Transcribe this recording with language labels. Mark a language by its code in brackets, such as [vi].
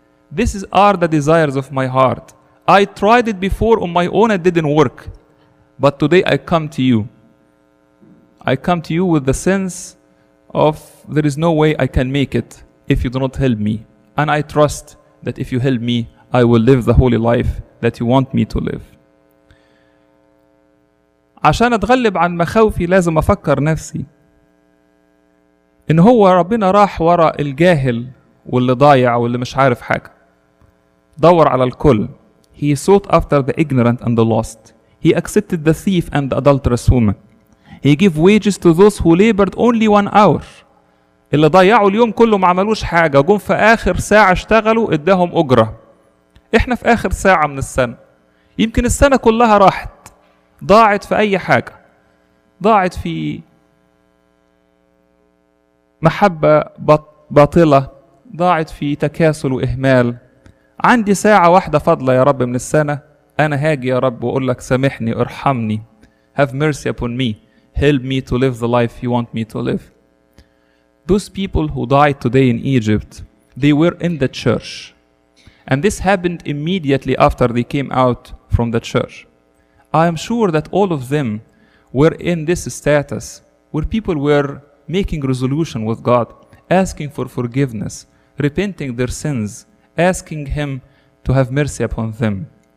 [en] These are the desires of my heart. I tried it before on my own, it didn't work. But today I come to you. I come to you with the sense of there is no way I can make it if you do not help me. And I trust that if you help me, I will live the holy life that you want me to live. [ar] عشان اتغلب عن مخاوفي لازم افكر نفسي. ان هو ربنا راح وراء الجاهل واللي ضايع واللي مش عارف حاجة. دور على الكل. [en] He sought after the ignorant and the lost. He accepted the thief and the adulterous woman. He gave wages to those who labored only 1 hour. [ar] اللي ضيعوا اليوم كله ما عملوش حاجة. جم في آخر ساعة اشتغلوا اداهم أجرة. احنا في آخر ساعة من السنة. يمكن السنة كلها راحت. ضاعت في أي حاجة. ضاعت في محبة باطلة. ضاعت في تكاسل وإهمال. عندي ساعة واحدة فضلة يا رب من السنة. أنا هاجي يا رب وأقول لك سامحني ارحمني. [en] Have mercy upon me. help me to live the life you want me to live. Those people who died today in Egypt, they were in the church. And this happened immediately after they came out from the church. I am sure that all of them were in this status where people were making resolution with God, asking for forgiveness, repenting their sins, asking Him to have mercy upon them.